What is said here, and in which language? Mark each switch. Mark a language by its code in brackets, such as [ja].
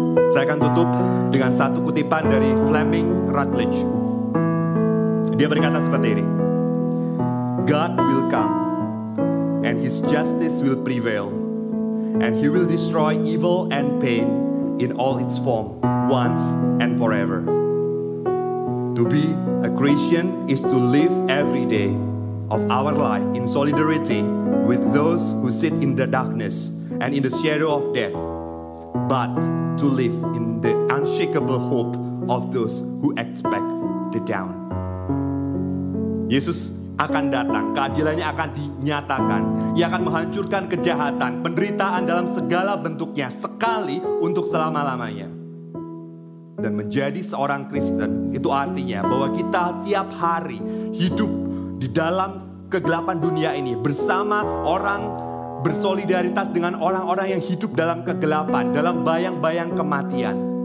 [id] Saya akan tutup dengan satu kutipan dari Fleming Rutledge. Dia berkata seperti ini, [en] God will come and His justice will prevail and He will destroy evil and pain in all its form once and forever. To be a Christian is to live every day of our life in solidarity with those who sit in the darkness and in the shadow of death, but to live in the unshakable hope of those who expect the dawn. [id] Yesus akan datang, keadilannya akan dinyatakan. Ia akan menghancurkan kejahatan, penderitaan dalam segala bentuknya sekali untuk selama-lamanya. Dan menjadi seorang Kristen itu artinya bahwa kita tiap hari hidup di dalam kegelapan dunia ini bersama orang, bersolidaritas dengan orang-orang yang hidup dalam kegelapan, dalam bayang-bayang kematian.